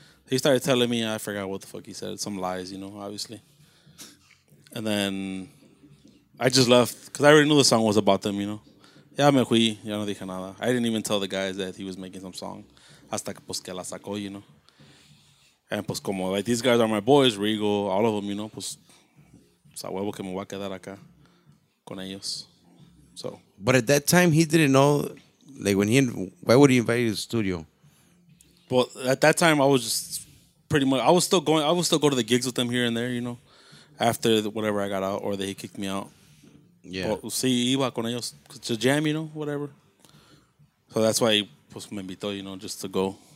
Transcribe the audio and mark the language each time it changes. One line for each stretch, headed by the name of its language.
English: He started telling me, I forgot what the fuck he said, some lies, you know, obviously. And then I just left, because I already knew the song was about them, you know.
Spanish: Ya me fui, ya no dije nada.
English: I didn't even tell the guys that he was making some song.
Spanish: Hasta que, pues, que la sacó,
English: you know. And, pues, como, like, these guys are my boys, Rigo, all of them, you know.
Spanish: Pues, a huevo que me voy a quedar acá con ellos.
English: So. But at that time, he didn't know, like, why would he invite you to the studio? Well, at that time, I was just pretty much, I would still go to the gigs with them here and there, you know. After whatever I got out, or they kicked me out. Yeah.
Spanish: Sí, iba con ellos.
English: To jam, you know, whatever. So that's why he
Spanish: pues, me invitó,
English: you know, just to go.